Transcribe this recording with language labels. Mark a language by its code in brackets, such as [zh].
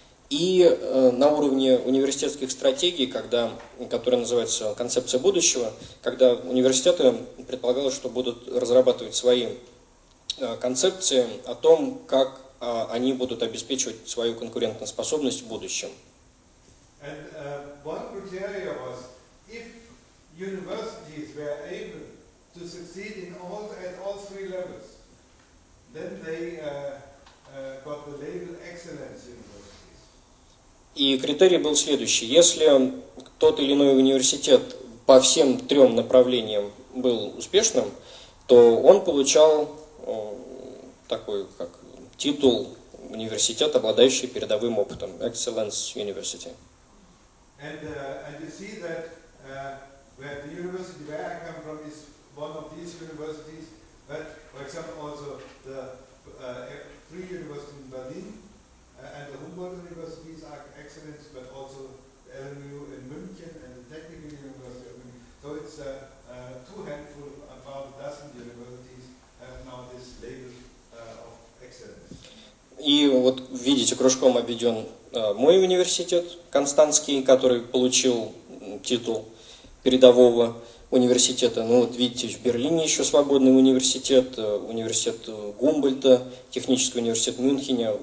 [ru] И на уровне университетских стратегий, которые называются концепция будущего, когда университеты предполагали, что будут разрабатывать свои концепции о том, как они будут обеспечивать свою конкурентоспособность в будущем. [en] And one criteria was, if universities were able to succeed in all, at all three levels, then they got the label excellence universities. [ru] И критерий был следующий. Если тот или иной университет по всем трем направлениям был успешным, то он получал такой как титул университет, обладающий передовым опытом, excellence university. [en] And you see that where the university where I come from is one of these universities, but for example also the free university in Berlin and the Humboldt universities are excellent, but also the LMU in München and the Technical University of München. So it's two handful, about a dozen universities have now this label of excellence. [ru] И вот видите, кружком обведен мой университет Констанцкий, который получил титул передового университета. Ну вот видите, в Берлине еще свободный университет, университет Гумбольдта, технический университет Мюнхена.